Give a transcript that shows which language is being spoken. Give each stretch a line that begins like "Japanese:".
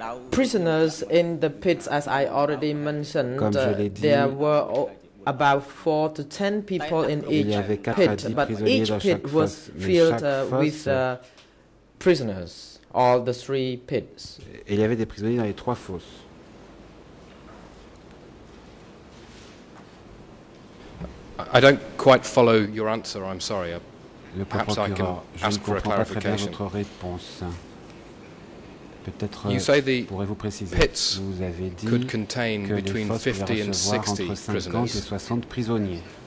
English: Prisoners in the pits, as I already mentioned,
French: Comme je l'ai dit,
English: there were about 4 to 10 people in each pit, but each pit was filled with prisoners, all the three pits.
French: Il y avait des prisonniers dans les trois fosses.
English: I don't quite follow your answer, I'm sorry.
French: Le procureur, je ne comprends pas très bien votre réponse. Peut-être pourrez-vous préciser, vous avez dit que les fosses pouvaient recevoir entre 50 et 60 prisonniers.